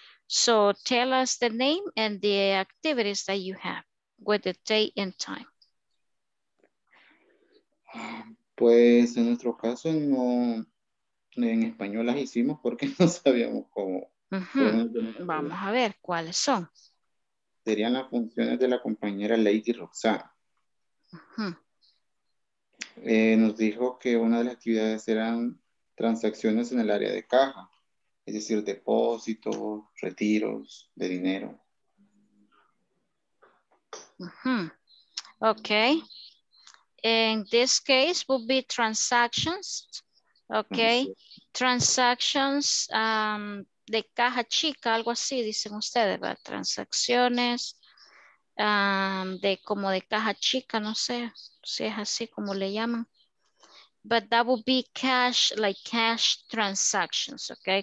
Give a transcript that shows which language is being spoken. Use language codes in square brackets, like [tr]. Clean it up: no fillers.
[en] So, tell us the name and the activities that you have with the day and time. [es] Pues, en nuestro caso, no, en español las hicimos porque no sabíamos cómo. Vamos a ver, ¿cuáles son? Serían las funciones de la compañera Lady Roxanne. Nos dijo que una de las actividades eran transacciones en el área de caja. Es decir, depósitos, retiros de dinero. Okay. [en] In this case would be transactions. Okay. Transactions, [es] de caja chica, algo así dicen ustedes, ¿verdad? Transacciones de como de caja chica, no sé si es así como le llaman. [en] But that would be cash, like cash transactions, okay?